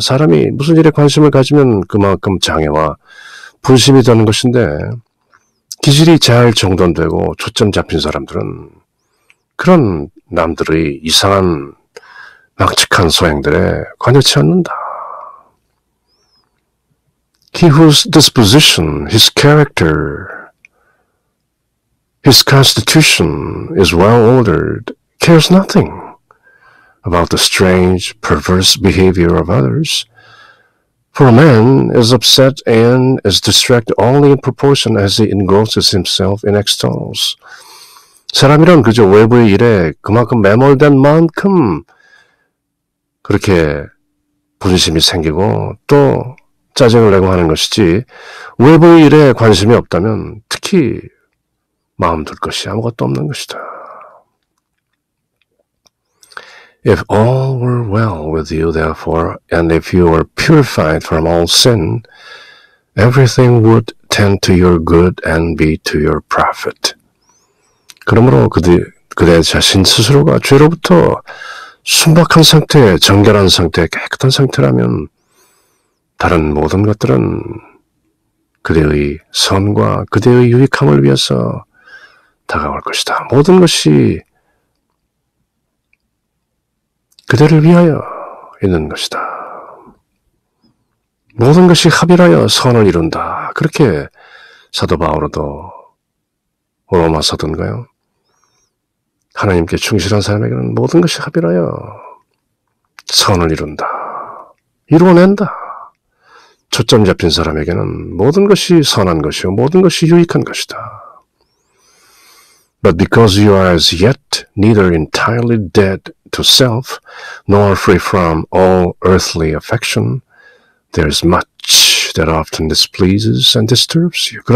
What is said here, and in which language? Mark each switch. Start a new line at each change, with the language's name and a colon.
Korean: 사람이 무슨 일에 관심을 가지면 그만큼 장애와 분심이 되는 것인데 기질이 잘 정돈되고 초점 잡힌 사람들은 그런 남들의 이상한 막측한 소행들에 관여치 않는다.
English: He whose disposition, his character, his constitution is well ordered, cares nothing about the strange, perverse behavior of others. For a man is upset and is distracted only in proportion as he engrosses himself in externals.
Korean: 사람이란 그저 외부의 일에 그만큼 매몰된 만큼 그렇게 분심이 생기고 또 짜증을 내고 하는 것이지 외부 일에 관심이 없다면 특히 마음 둘 것이 아무것도 없는 것이다.
English: If all were well with you, therefore, and if you were purified from all sin, everything would tend to your good and be to your profit.
Korean: 그러므로 그대 자신 스스로가 죄로부터 순박한 상태, 정결한 상태, 깨끗한 상태라면 다른 모든 것들은 그대의 선과 그대의 유익함을 위해서 다가올 것이다. 모든 것이 그대를 위하여 있는 것이다. 모든 것이 합일하여 선을 이룬다. 그렇게 사도 바울도 로마서든가요? 하나님께 충실한 사람에게는 모든 것이 합일하여 선을 이룬다. 이루어낸다. 초점 잡힌 사람에게는 모든 것이 선한 것이요 모든 것이 유익한 것이다.
English: But because you are as yet neither entirely dead to self, nor free from all earthly affection, there is much that often displeases and disturbs you.